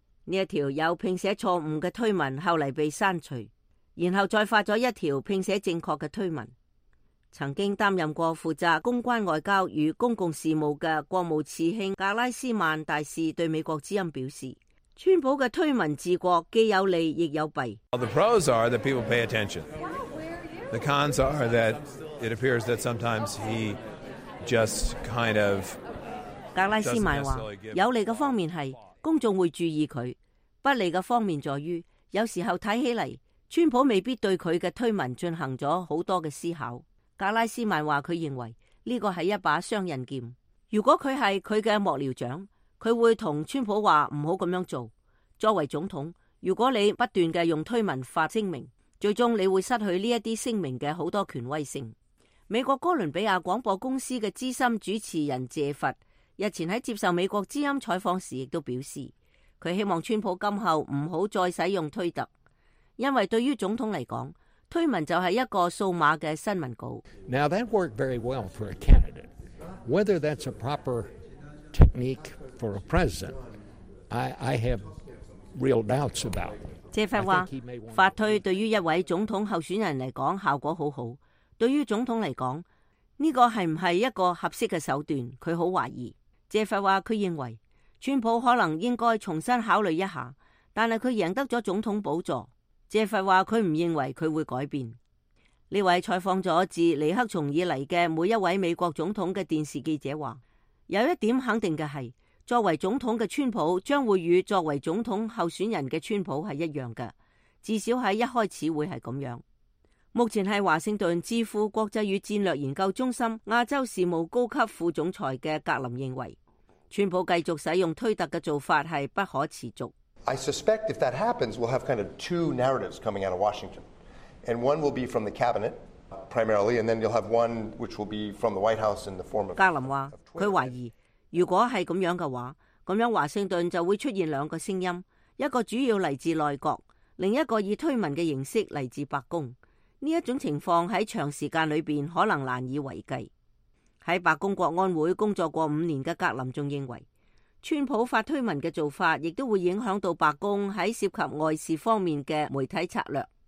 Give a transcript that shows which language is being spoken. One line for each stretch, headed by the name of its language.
Chinese: 这条有拼写错误的推文后来被删除，然后再发了一条拼写正确的推文。曾经担任过负责公关外交与公共事务的国务次卿格拉斯曼大使对美国之音表示，川普的推文治国既有利亦有弊。
English: The pros are that people pay attention. The cons are that it appears that sometimes he just kind of.
Chinese: 格拉斯曼话，有利的方面是公众会注意他，不利的方面在于有时候看起来川普未必对他的推文进行了很多的思考。格拉斯曼话，他认为这个是一把双刃剑。如果他是他的幕僚长，他会跟川普说不要这样做。作为总统，如果你不断地用推文发声明，最终你会失去这些声明的很多权威性。美国哥伦比亚广播公司的资深主持人谢佛日前在接受美国之音采访时亦都表示，他希望川普今后不要再使用推特，因为对于总统来讲，推文就是一个数码的新闻稿。
English: Now that worked very well for a candidate. Whether that's a proper technique for a president, I have real doubts about.
Chinese: 谢佛话，发推对于一位总统候选人来讲效果好好。对于总统来讲，这个是不是一个合适的手段，他很怀疑。谢佛话，他认为川普可能应该重新考虑一下，但是他赢得了总统宝座。谢佛话，他不认为他会改变。这位采访了自尼克松以来的每一位美国总统的电视记者说，有一点肯定的是，作为总统的川普将会与作为总统候选人的川普是一样的，至少在一开始会是这样。目前是华盛顿智库国际与战略研究中心亚洲事务高级副总裁的格林认为，川普继续使用推特的做法是不可持续。
English: I suspect if that happens, we'll have kind of two narratives coming out of Washington. And one will be from the cabinet, primarily, and then you'll have one which will be from the White House in the form of
Chinese: Twitter. 格林说，他怀疑，如果是这样的话，这样华盛顿就会出现两个声音，一个主要来自内阁，另一个以推文的形式来自白宫。这一种情况在长时间里面可能难以为继。在白宫国安会工作过五年的格林还认为，川普发推文的做法亦都会影响到白宫在涉及外事方面的媒体策略。